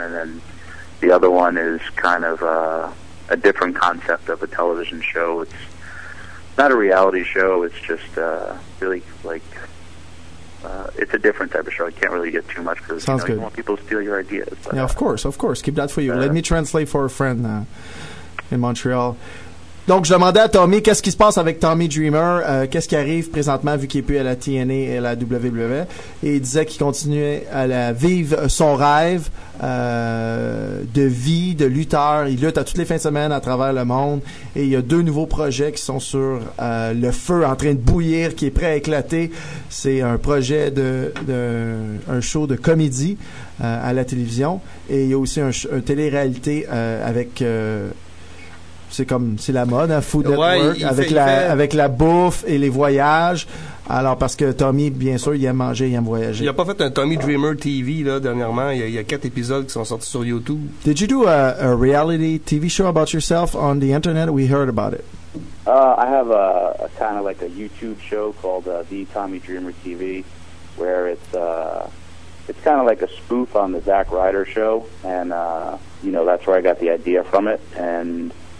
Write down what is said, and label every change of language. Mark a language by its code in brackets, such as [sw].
[en] And then the other one is kind of... a different concept of a television show. It's not a reality show. It's just really like it's a different type of show. I can't really get too much because you don't want people to steal your ideas. But, yeah, of course. Keep that for you. Let me translate for a friend in Montreal. [fr] Donc, je demandais à Tommy, qu'est-ce qui se passe avec Tommy Dreamer? Qu'est-ce qui arrive présentement, vu qu'il n'est plus à la TNA et à la WWE? Et il disait qu'il continuait à vivre son rêve de vie, de lutteur. Il lutte à toutes les fins de semaine à travers le monde. Et il y a deux nouveaux projets qui sont sur le feu, en train de bouillir, qui est prêt à éclater. C'est un projet de un show de comédie à la télévision. Et il y a aussi un télé-réalité avec... C'est la mode, hein, Food Network, avec la bouffe et les voyages. Alors, parce que Tommy, bien sûr, il aime manger, il aime voyager. Il a pas fait un Tommy Dreamer TV, là, dernièrement. Il y a 4 épisodes qui sont sortis sur YouTube. [en] Did you do a reality TV show about yourself on the internet? We heard about it. I have a kind of like a YouTube show called The Tommy Dreamer TV, where it's kind of like a spoof on the Zack Ryder show. And, you know, that's where I got the idea from it. And...